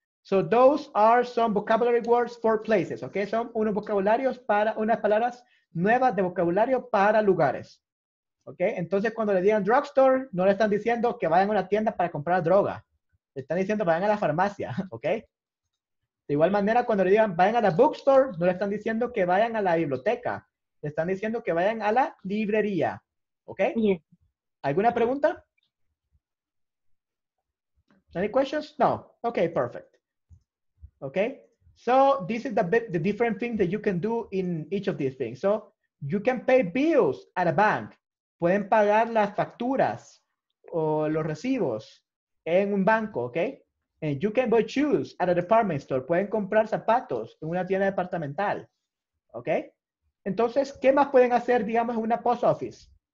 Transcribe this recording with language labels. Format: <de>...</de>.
<en>So those are some vocabulary words for places, okay?</en> <es>Son unos vocabularios para, unas palabras nuevas de vocabulario para lugares, okay? Entonces, cuando le digan drugstore, no le están diciendo que vayan a una tienda para comprar droga. Le están diciendo vayan a la farmacia, okay? De igual manera, cuando le digan vayan a la bookstore, no le están diciendo que vayan a la biblioteca. Le están diciendo que vayan a la librería, okay?</es> <en>Yes. Yeah.</en> <es>¿Alguna pregunta?</es> <en>Any questions? No. Okay, perfect. Okay. So this is the different thing that you can do in each of these things. So you can pay bills at a bank.</en> <es>Pueden pagar las facturas o los recibos en un banco, okay?</es> <en>And you can buy shoes at a department store.</en> <es>Pueden comprar zapatos en una tienda departamental, okay? Entonces, ¿qué más pueden hacer, digamos, en una post office?</es>